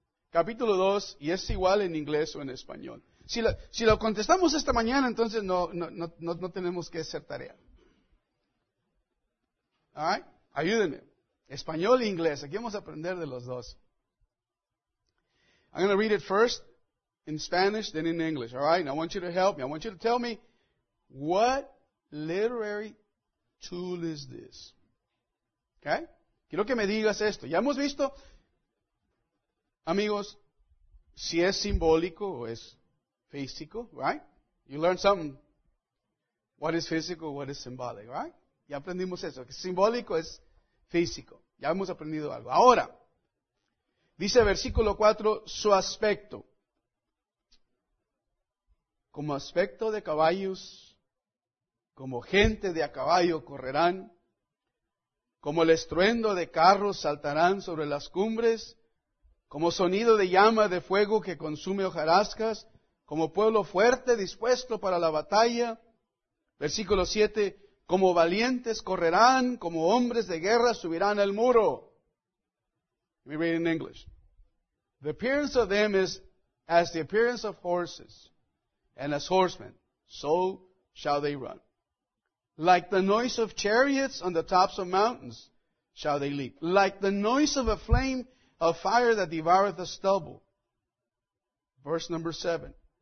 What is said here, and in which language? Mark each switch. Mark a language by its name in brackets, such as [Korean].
[Spanish] Capítulo 2, y es igual en inglés o en español. Si lo contestamos esta mañana, entonces no tenemos que hacer tarea. ¿Alright? Ayúdenme. Español e inglés, aquí vamos a aprender de los dos. [English] I'm going to read it first in Spanish, then in English. ¿Alright? I want you to help me. I want you to tell me, what literary tool is this? [Spanish] Okay. Quiero que me digas esto. Ya hemos visto, amigos, si es simbólico o es físico, right? [English] You learn something. What is physical, what is symbolic, right? [Spanish] Ya aprendimos eso. Que simbólico es físico. Ya hemos aprendido algo. Ahora, dice versículo 4, su aspecto. Como aspecto de caballos, como gente de a caballo correrán, como el estruendo de carros saltarán sobre las cumbres, como sonido de llama de fuego que consume hojarascas, como pueblo fuerte dispuesto para la batalla. Versículo 7, como valientes correrán, como hombres de guerra subirán al muro. [English] Let me read in English. The appearance of them is as the appearance of horses, and as horsemen, so shall they run. Like the noise of chariots on the tops of mountains shall they leap. Like the noise of a flame of fire that devoureth a stubble. Verse number 7.